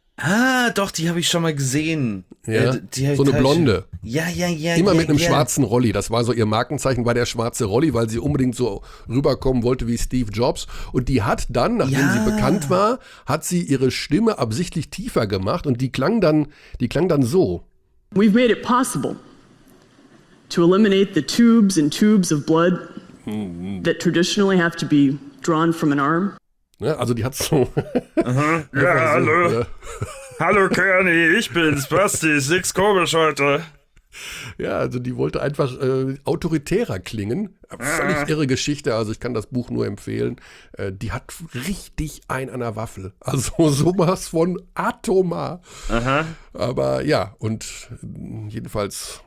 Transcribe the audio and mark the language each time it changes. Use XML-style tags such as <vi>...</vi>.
<de>Ah, doch, die habe ich schon mal gesehen. Ja. So eine Blonde. Ja. Immer mit einem schwarzen Rolli. Das war so ihr Markenzeichen, war der schwarze Rolli, weil sie unbedingt so rüberkommen wollte wie Steve Jobs. Und die hat dann, nachdem sie bekannt war, hat sie ihre Stimme absichtlich tiefer gemacht. Und die klang dann so.</de> <en>We've made it possible to eliminate the tubes and tubes of blood that traditionally have to be drawn from an arm.</en> <de>Ja, also die hat so... hallo. Ja. Hallo, Kerni, ich bin's, Basti, six komisch heute. Ja, also die wollte einfach autoritärer klingen. Völlig irre Geschichte, also ich kann das Buch nur empfehlen. Die hat richtig einen an der Waffel. Also sowas von Atoma. Aber ja, und jedenfalls...</de>